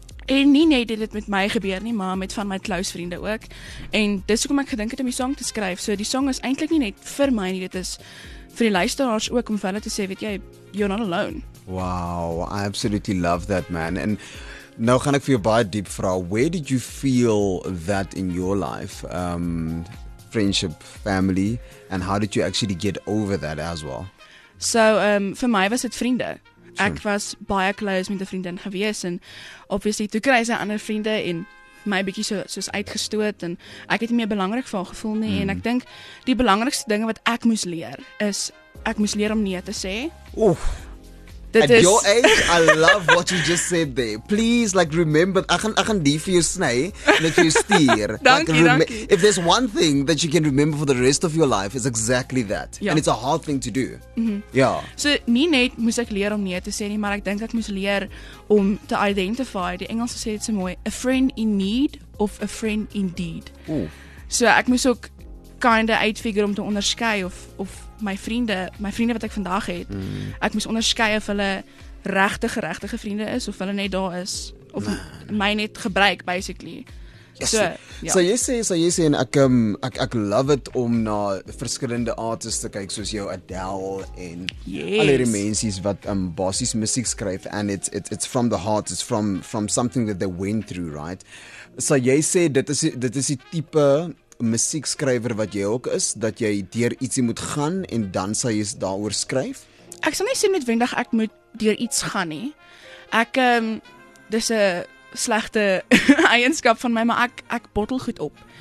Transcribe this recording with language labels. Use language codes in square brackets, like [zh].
[af] En nie net dit het met my gebeur nie, maar met van my close vriende ook. En dis hoekom ek gedink het om die song te skryf. So die song is eintlik nie net vir my nie, dit is vir die luisteraars ook om vir hulle te sê, weet jy, you're not alone. [en] Wow, I absolutely love that, man. And nou gaan ek vir jou baie diep vra, where did you feel that in your life? Friendship, family, and how did you actually get over that as well? So vir my was dit vriende. Ek was baie close met 'n vriendin gewees en obviously toe kry sy ander vriende en my bietjie soos uitgestoot en ek het nie meer belangrik vir haar gevoel nie en ek dink die belangrikste dinge wat ek moes leer is ek moes leer om nee te sê. Oef. At is... your age, I love what you just said there. Please, like, remember, I can die for you snay, let you steer. Thank you. If there's one thing that you can remember for the rest of your life, it's exactly that. Yeah. And it's a hard thing to do. Mm-hmm. Yeah. [af] So, nie net moes ek leer om nee te sê nie, maar ek denk ek moes leer om te identify, die Engelse sê het so mooi, a friend in need of a friend indeed. So, ek moes ook kinde uitfigure om te onderskei of my vriende wat ek vandag het, ek moes onderskei of hulle regtig vriende is of hulle net daar is of my net gebruik basically. So jy sê en ek love it om na verskillende artists te kyk soos jou Adele en [en] yes. Al hierdie mensies wat basies musiek skryf and it's from the heart, it's from something that they went through, right? [af] So jy sê dit is die tipe musiekskrywer wat jy ook is, dat jy deur ietsie moet gaan en dan sal jy daaroor skryf? Ek sal nie sê noodwendig ek moet deur iets gaan nie. Ek, dis 'n slegte eienskap van my, maar ek bottel goed op.